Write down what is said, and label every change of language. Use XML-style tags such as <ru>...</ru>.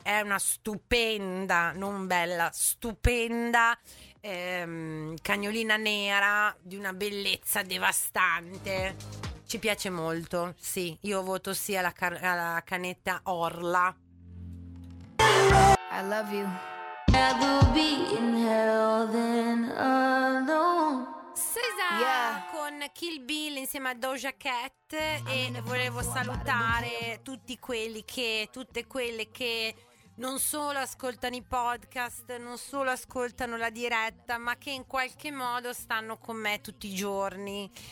<it>È una stupenda, non bella, stupenda cagnolina nera di una bellezza devastante. Ci piace molto, sì, io voto sì alla canetta Orla.</it> <en>I love you. Rather be in hell than alone. Cesar, yeah.</en> <it>Con Kill Bill insieme a Doja Cat. E volevo salutare tutte quelle che non solo ascoltano i podcast, non solo ascoltano la diretta, ma che in qualche modo stanno con me tutti i giorni.</it>